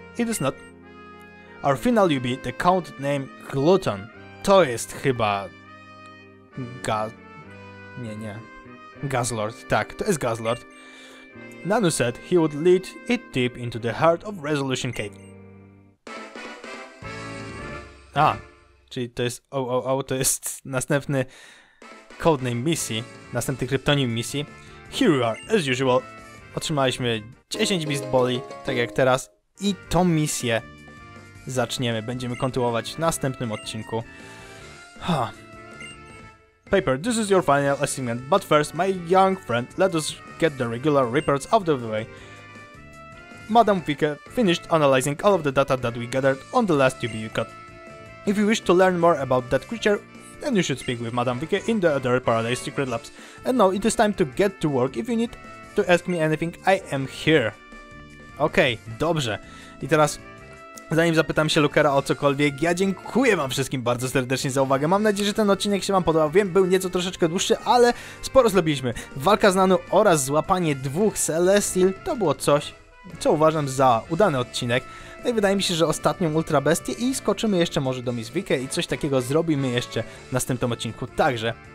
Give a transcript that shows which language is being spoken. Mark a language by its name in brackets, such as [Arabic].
[English] It is not. Our final UB, the count name Gluton. [Polish] To jest chyba... Nie. Gazlord, tak, to jest Gazlord. [English] Nano said he would lead it deep into the heart of Resolution Cave. [Polish] Czyli to jest... to jest następny codename misji. Następny kryptonim misji. [English] Here we are, as usual. [Polish] Otrzymaliśmy 10 Beast Balli, tak jak teraz. I tą misję zaczniemy. Będziemy kontynuować w następnym odcinku. [English] Paper, this is your final assignment, but first, my young friend, let us get the regular reports out of the way. Madam Vicke finished analyzing all of the data that we gathered on the last UB you got. If you wish to learn more about that creature, then you should speak with Madam Vicke in the other Paradise Secret Labs. And now it is time to get to work. If you need to ask me anything, I am here. [Polish] Okej, dobrze. I teraz... Zanim zapytam się Lookera o cokolwiek, ja dziękuję wam wszystkim bardzo serdecznie za uwagę. Mam nadzieję, że ten odcinek się wam podobał. Wiem, był nieco troszeczkę dłuższy, ale sporo zrobiliśmy. Walka z Nano oraz złapanie dwóch Celestial to było coś co uważam za udany odcinek. No i wydaje mi się, że ostatnią Ultra Bestię i skoczymy jeszcze może do Miss Vicky i coś takiego zrobimy jeszcze w następnym odcinku także.